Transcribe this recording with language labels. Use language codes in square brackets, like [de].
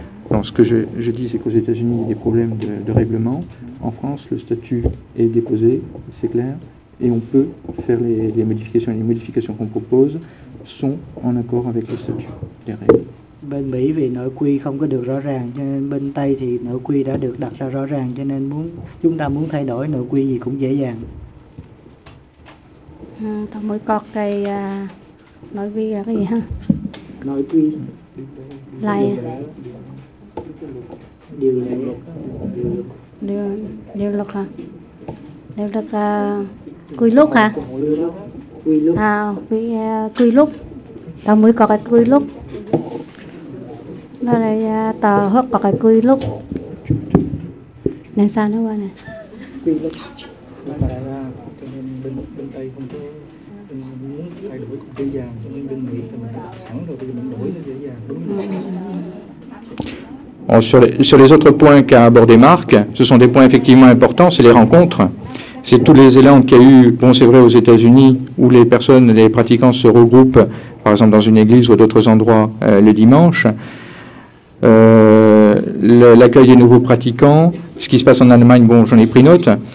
[fr] Non, ce que je dis, c'est qu'aux États-Unis, il y a des problèmes de règlement. En France, le statut est déposé, c'est clair, et on peut faire les modifications. Les modifications qu'on propose sont en accord avec le statut des règles. [vi] Bên Mỹ vì nội quy không có được rõ ràng, cho nên bên Tây thì nội quy đã được đặt ra rõ ràng, cho nên chúng ta muốn thay đổi nội quy gì cũng dễ dàng. Tôi mới có cái nội quy là cái gì ha? Nội quy. Lại. Điều lệ. Điều luật hả? Điều luật quy luật hả? Quy luật. À, quy luật. Tôi mới có cái quy luật. Là tờ hết có cái quy lúc nên sao nó qua nè quy lúc nó phải ra cho nên bên Tây không có muốn thay đổi cũng dễ dàng, cho nên bên Mỹ thì mình sẵn rồi, bây giờ mình đổi nó dễ dàng, đúng không? [fr] Sur les autres points qu'a abordé Marc, ce sont des points effectivement importants, c'est les rencontres. C'est tous les élans qu'il y a eu, bon c'est vrai aux États-Unis, où les personnes, les pratiquants se regroupent, par exemple dans une église ou d'autres endroits le dimanche. L'accueil des nouveaux pratiquants, ce qui se passe en Allemagne, bon j'en ai pris note.